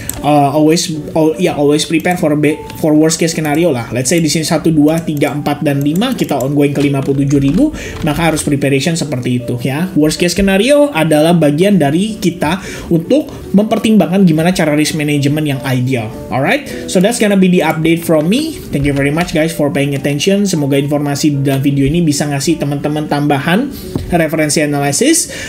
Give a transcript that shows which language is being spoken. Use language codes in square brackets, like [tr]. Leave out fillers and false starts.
[en] Always prepare for worst case scenario lah. Let's say [id] di sini 1 2 3 4 dan 5 kita ongoing ke 57.000, maka harus preparation seperti itu ya. Worst case scenario adalah bagian dari kita untuk mempertimbangkan gimana cara risk management yang ideal. [en] Alright? So that's gonna be the update from me. Thank you very much guys for paying attention. [id] Semoga informasi di dalam video ini bisa ngasih teman-teman tambahan referensi analisis.